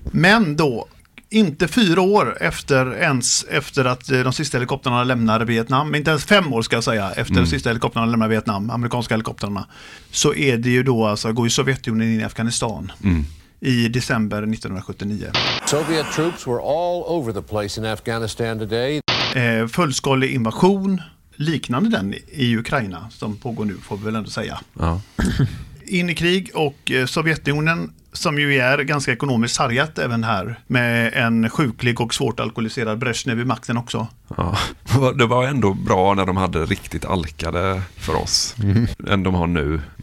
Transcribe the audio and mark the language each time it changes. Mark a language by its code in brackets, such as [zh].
[sv] Men då, inte fyra år efter ens efter att de sista helikopterna lämnade Vietnam, inte ens fem år ska jag säga, efter de sista helikopterna lämnade Vietnam, amerikanska helikopterna, så är det ju då, alltså går ju Sovjetunionen in i Afghanistan i december 1979. [en] Soviet troops were all over the place in Afghanistan today. [sv] Fullskalig invasion, liknande den i Ukraina som pågår nu, får vi väl ändå säga. Ja. In i krig och Sovjetunionen, som ju är ganska ekonomiskt sargat även här, med en sjuklig och svårt alkoholiserad Brezhnev i makten också. Ja, det var ändå bra när de hade riktigt alkade för oss än de har nu.